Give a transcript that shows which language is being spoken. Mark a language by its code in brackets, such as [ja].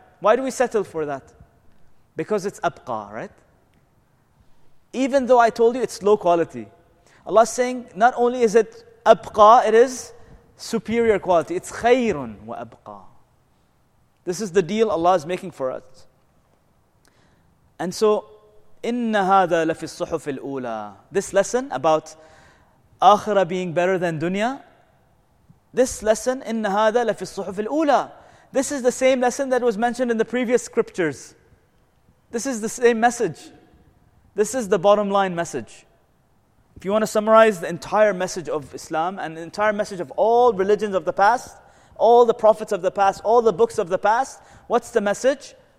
[en] Why do we settle for that? Because it's abqa, right? Even though I told you it's low quality. Allah is saying, not only is it abqa, it is superior quality. It's khayrun wa abqa. This is the deal Allah is making for us. And so, [ar] إِنَّ هَذَا لَفِي الصُّحُفِ الْأُولَى. [en] This lesson about akhirah being better than dunya, this lesson, [ar] إِنَّ هَذَا لَفِي الصُّحُفِ الْأُولَى. [en] This is the same lesson that was mentioned in the previous scriptures. This is the same message. This is the bottom line message. If you want to summarize the entire message of Islam and the entire message of all religions of the past, all the prophets of the past, all the books of the past, what's the message?